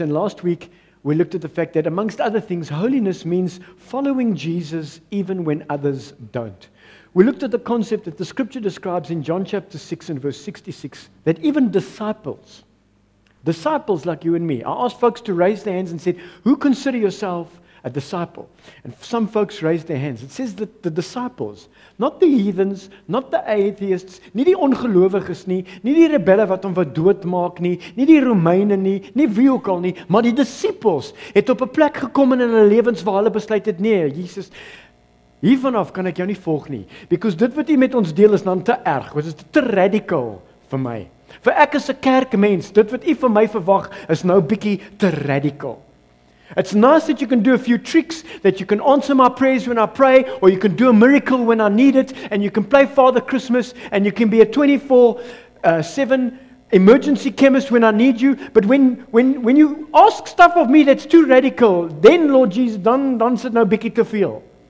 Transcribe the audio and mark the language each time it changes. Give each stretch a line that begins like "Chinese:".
English: And last week, we looked at the fact that, amongst other things, holiness means following Jesus even when others don't. We looked at the concept that the Scripture describes in John chapter 6 and verse 66, that even disciples like you and me. I asked folks to raise their hands and said, who consider yourself a disciple? And some folks raised their hands. It says that the disciples, not the heathens, not the atheists,
Afrikaans: nie die ongelowiges nie, nie die rebelle wat hom wat doodmaak nie, nie die Romeine nie, nie wie ook al nie, maar die disciples het op 'n plek gekom in hulle lewens waar hulle besluit het, nee, Jesus, hiervanaf kan ek jou nie volg nie,
English: because
Afrikaans: dit wat jy met ons deel is dan te erg, want dit is te radical vir my. Vir ek is 'n kerkmens, dit wat u van my verwag is nou bietjie te radical.
English: It's nice that you can do a few tricks, that you can answer my prayers when I pray, or you can do a miracle when I need it, and you can play Father Christmas, and you can be a 24/7 emergency chemist when I need you, but when you ask stuff of me that's too radical, then Lord Jesus,
Afrikaans: dan sit nou bietjie te veel.